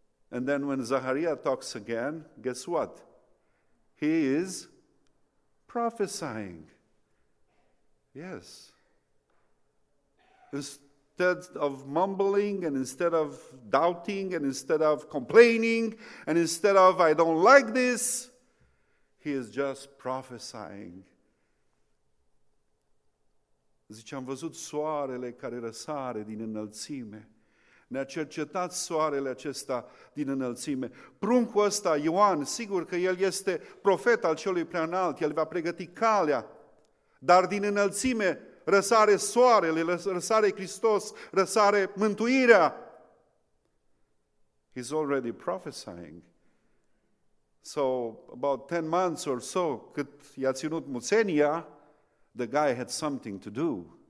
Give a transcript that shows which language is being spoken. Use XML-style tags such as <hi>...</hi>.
<en>And then when Zachariah talks again, guess what? He is prophesying. Yes. Instead of mumbling and instead of doubting and instead of complaining and instead of I don't like this, he is just prophesying.</en> <ro>Zice, am văzut soarele care răsare din înălțime. Ne-a cercetat soarele acesta din înălțime. Pruncul ăsta, Ioan, sigur că el este profet al celui preanalt, el va pregăti calea, dar din înălțime răsare soarele, răsare Hristos, răsare mântuirea.</ro> <en>He's already prophesying. So, about 10 months or so,</en> <ro>cât i-a ținut muțenia,</ro> <en>the guy had something to do.</en>